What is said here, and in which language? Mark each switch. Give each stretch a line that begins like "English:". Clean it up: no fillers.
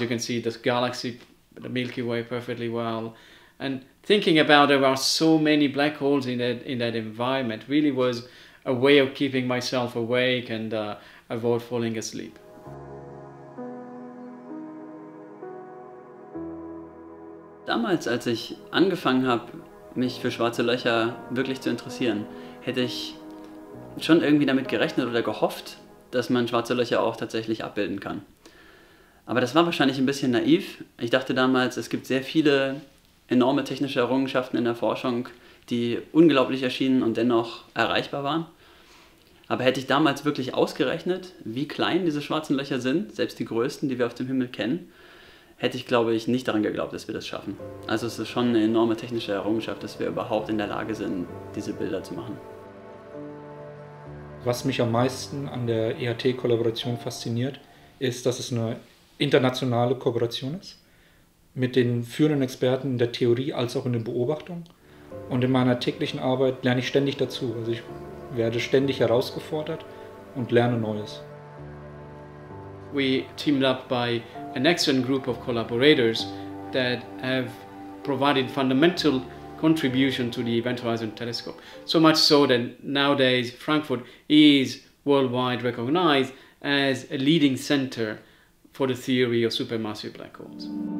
English: You can see the galaxy, the Milky Way perfectly well. And thinking about there are so many black holes in that environment really was a way of keeping myself awake and avoid falling asleep.
German: Damals, als ich angefangen habe, mich für schwarze Löcher wirklich zu interessieren, hätte ich schon irgendwie damit gerechnet oder gehofft, dass man schwarze Löcher auch tatsächlich abbilden kann. Aber das war wahrscheinlich ein bisschen naiv. Ich dachte damals, es gibt sehr viele enorme technische Errungenschaften in der Forschung, die unglaublich erschienen und dennoch erreichbar waren. Aber hätte ich damals wirklich ausgerechnet, wie klein diese schwarzen Löcher sind, selbst die größten, die wir auf dem Himmel kennen, hätte ich, glaube ich, nicht daran geglaubt, dass wir das schaffen. Also es ist schon eine enorme technische Errungenschaft, dass wir überhaupt in der Lage sind, diese Bilder zu machen. Was mich am meisten an der EAT-Kollaboration fasziniert, ist, dass es eine internationale Kooperation ist, mit den führenden Experten in der Theorie als auch in den Beobachtungen. Und in meiner täglichen Arbeit lerne ich ständig dazu. Also ich werde ständig herausgefordert und lerne Neues.
English: We teamed up by an excellent group of collaborators that have provided fundamental contribution to the Event Horizon Telescope. So much so that nowadays Frankfurt is worldwide recognized as a leading center for the theory of supermassive black holes.